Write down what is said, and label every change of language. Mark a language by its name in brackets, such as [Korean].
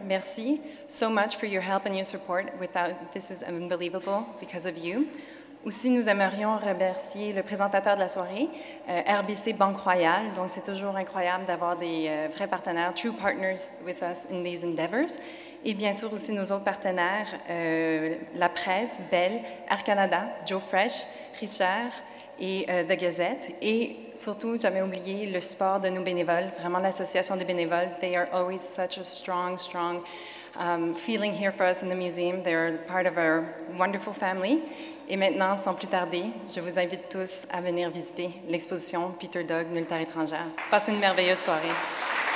[English] Merci so much for your help and your support. This is unbelievable because of you. [French] Aussi, nous aimerions remercier le présentateur de la soirée, RBC Banque Royale. Donc, c'est toujours incroyable d'avoir des vrais partenaires, [English] true partners with us in these endeavors. [French] Et bien sûr, aussi nos autres partenaires, La Presse, Bell, Air Canada, Joe Fresh, Richard, et The Gazette, et surtout, jamais oublié, le support de nos bénévoles, vraiment l'association des bénévoles. [English] They are always such a strong, strong feeling here for us in the museum. They are part of our wonderful family. [French] Et maintenant, sans plus tarder, je vous invite tous à venir visiter l'exposition Peter Doeg, Nulle Terre étrangère. Passez une merveilleuse soirée.